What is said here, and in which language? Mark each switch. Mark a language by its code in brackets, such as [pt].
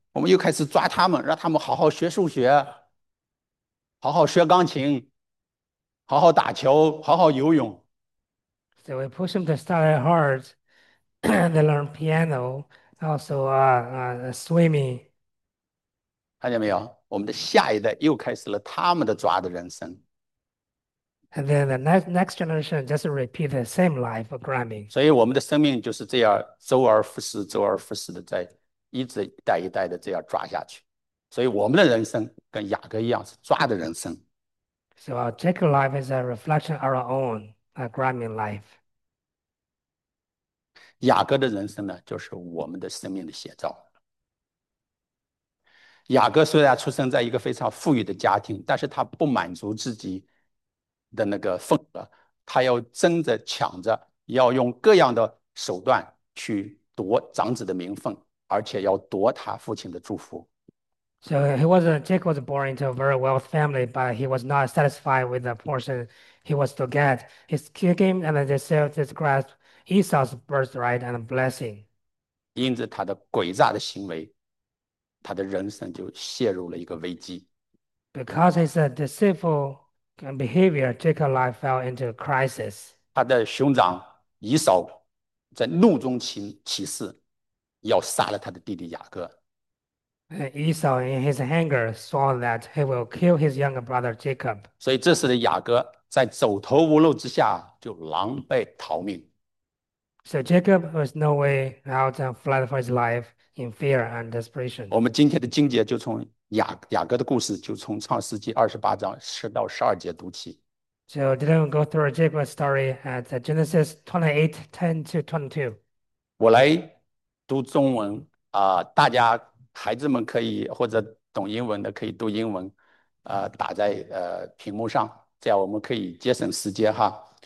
[zh] 我们又开始抓他们，让他们好好学数学，好好学钢琴，好好打球，好好游泳。 [en] So we push them to study hard. They learn piano, also swimming. [zh] 看见没有？我们的下一代又开始了他们的抓的人生。 [en] And then the next generation just repeat the same life of [zh] 所 [en] grabbing. [zh] 以我们的生命就是这样，周而复始，周而复始的在。一直一代一代的这样抓下去，所以我们的人生跟雅各一样是抓的人生。 [en] So our Jacob life is a reflection of our own grabbing life. [zh] 雅各的人生呢，就是我们的生命的写照。雅各虽然出生在一个非常富裕的家庭，但是他不满足自己的那个份额，他要争着抢着，要用各样的手段去夺长子的名分，而且要夺他父亲的祝福。 [en] So he was Jacob was born into a very wealthy family, but he was not satisfied with the portion he was to get. He came and deserved his grasp Esau's birthright and blessing. [zh] 因着他的诡诈的行为，他的人生就陷入了一个危机。 [en] Because his deceitful behavior, Jacob's life fell into a crisis. [zh] 他的兄长以扫在怒中起誓，要杀了他的弟弟雅各。 [en] Esau, in his anger, saw that he will kill his younger brother Jacob. [zh] 所以这时的雅各在走投无路之下，就狼狈逃命。 [en] So Jacob was no way out and fled for his life in fear and [zh] 我 [en] desperation. [zh] 们今天的经节就从雅各的故事，就从创世纪20章10到12节读起。 [en] So didn't go through Jacob's story at Genesis 28:10-22. [zh] 我来读中文大家孩子们可以或者懂英文的可以读英文，打在屏幕上，这样我们可以节省时间哈。